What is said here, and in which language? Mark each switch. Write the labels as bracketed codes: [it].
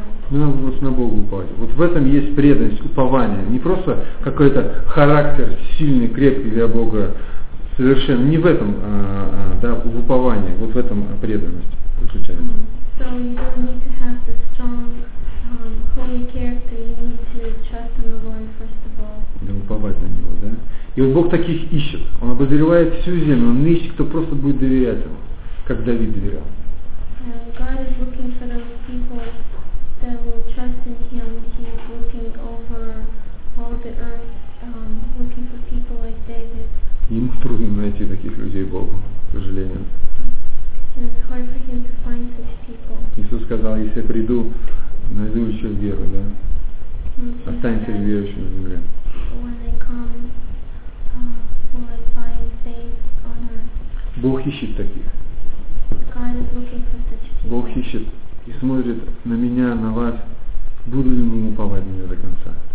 [ru] Мы надо просто на Бога уповать. Вот в этом есть преданность, упование. Не просто какой-то характер сильный, крепкий для Бога. Совершенно не в этом, да, в уповании, вот в этом преданность заключается. [en] So you don't need to have the strong holy character, you need to trust in the Lord first of all. [ru] Да, уповать на него, да. И вот Бог таких ищет. Он обозревает всю землю, он ищет, кто просто будет доверять ему, как Давид доверял. [en] And God is looking for those people that I will trust in him. He's looking over all the earth, looking for people like David. [ru] Им трудно найти таких людей Богу, к сожалению. [en] It's hard for him to find such people. [ru] Иисус сказал, если я приду, найду еще веру, да? Mm-hmm. Останется ли верующим на земле? [en] When I come, will I find faith on earth? [ru] Бог ищет таких. [en] God is looking for such people. [ru] Бог ищет и смотрит на меня, на вас, буду ли ему уповать на меня до конца.